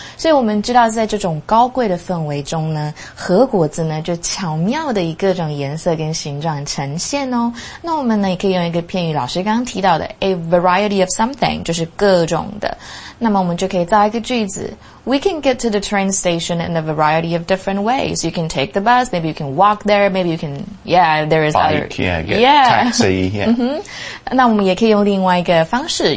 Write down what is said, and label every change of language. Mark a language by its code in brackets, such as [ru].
[zh] 所以我们知道在这种高贵的氛围中呢，和果子呢就巧妙的以各种颜色跟形状呈现哦。那我们呢也可以用一个片语老师刚刚提到的 a variety of something, 就是各种的。那么我们就可以造一个句子。 [en] We can get to the train station in a variety of different ways. You can take the bus, maybe you can walk there, maybe you can, yeah, there is bike, other. Bike, yeah, get yeah. taxi, yeah. [zh] 那我们也可以用另外一个方式。